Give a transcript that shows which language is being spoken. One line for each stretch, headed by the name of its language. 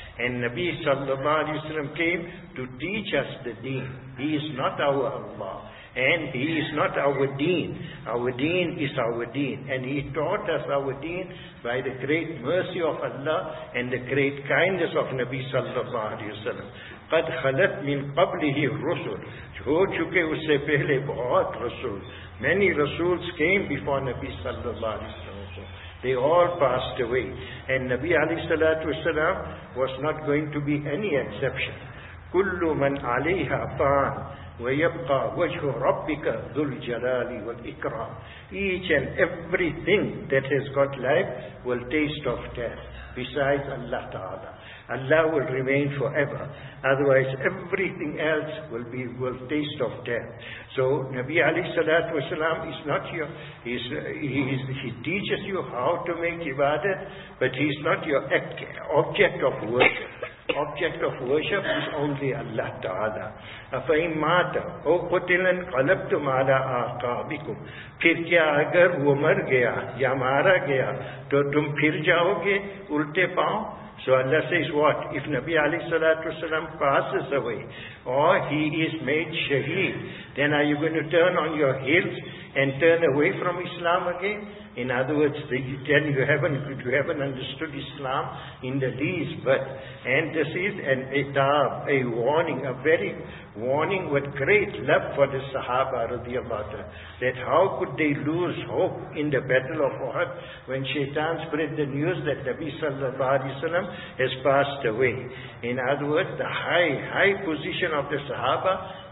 English: And Nabi sallallahu alayhi wa sallam came to teach us the deen. He is not our Allah. And he is not our deen. Our deen is our deen. And he taught us our deen by the great mercy of Allah and the great kindness of Nabi sallallahu alayhi wa sallam.
Arabic: قَدْ خَلَتْ مِنْ قَبْلِهِ الرُّسُلُ
Urdu: ہو چکے اس سے پہلے بہت رسول.
English: Many rasuls came before Nabi sallallahu alayhi wa sallam. They all passed away. And Nabi alayhi salatu wa sallam was not going to be any exception.
Arabic: كُلُّ مَنْ عَلَيْهَا فَانْ وَيَبْقَى وَجْهُ رَبِّكَ ذُو الْجَلَالِ وَالْإِكْرَامِ.
English: Each and everything that has got life will taste of death besides Allah Ta'ala. Allah will remain forever. Otherwise everything else will taste of death. So Nabi alayhi salatu wasalam is not your, he teaches you how to make ibadat, but he is not your object of worship. Object of worship is only Allah Ta'ala.
Arabic: أَفَإِمْ مَاتَ أَوْ قُتِلًا قَلَبْتُمْ عَلَىٰ آقَابِكُمْ.
Urdu: پھر کیا اگر وہ مر گیا یا مارا گیا تو تم پھر جاؤ گے الٹے پاؤں.
English: So Allah says what? If Nabi alayhi salatu wasalam passes away or he is made shaheed, then are you going to turn on your heels and turn away from Islam again? In other words, then you haven't understood Islam in the least. But, and this is an itab, a warning, a very warning with great love for the Sahaba radiallahu ta'ala, that how could they lose hope in the battle of Uhud when Shaitan spread the news that Nabi sallallahu alayhi wa sallam has passed away. In other words, the high position of the Sahaba